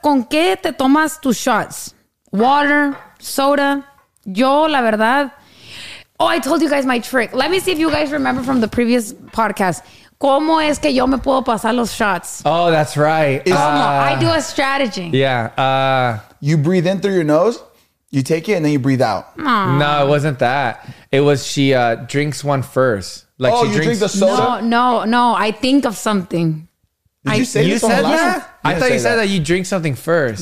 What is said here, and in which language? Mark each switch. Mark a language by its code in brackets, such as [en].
[es] ¿Con qué te tomas tus shots? Water, soda. Yo, la verdad. [en] Oh, I told you guys my trick. Let me see if you guys remember from the previous podcast. [es] ¿Cómo es que yo me puedo pasar los shots? [en] Oh, that's right. I do a strategy. Yeah. You breathe in through your nose, you take it, and then you breathe out. No, it wasn't that. It was she drinks one first. Like oh, she you drinks, drink the soda? No. I think of something. Did you say that? You drink something first.